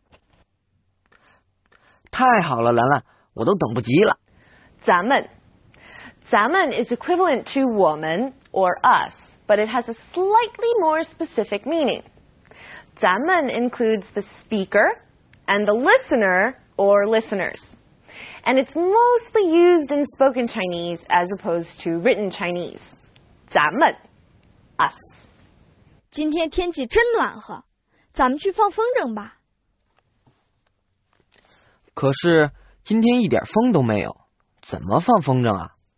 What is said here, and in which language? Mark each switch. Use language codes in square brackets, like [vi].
[zh] 小明吃饭了。妈妈，我正在写作业。哦，放假喽。小明，我们明天先去划船，再去看电影，怎么样？太好了，兰兰。我都等不及了。咱们, [en] 咱们 is equivalent to 我们 or us, but it has a slightly more specific meaning. 咱们 includes the speaker and the listener or listeners. And it's mostly used in spoken Chinese as opposed to written Chinese. 咱们, us. [zh] 今天天气真暖和，咱们去放风筝吧。可是今天一点风都没有，怎么放风筝啊？